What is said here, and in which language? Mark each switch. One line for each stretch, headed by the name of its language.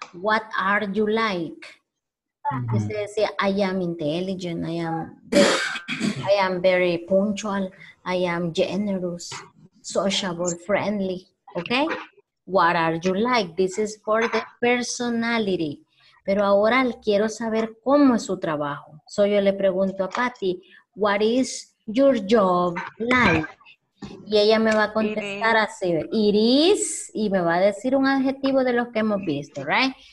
English: What are you like?
Spanish: Usted decía,
English: I am intelligent, I am very punctual, I am generous, sociable, friendly. Okay? What are you like? This is for the personality.
Spanish: Pero ahora quiero saber cómo es su trabajo.
English: So
Spanish: yo le pregunto a Patty,
English: what is your job like?
Spanish: Y ella me va a contestar así.
English: It is,
Spanish: y me va a decir un adjetivo de los que hemos visto, right?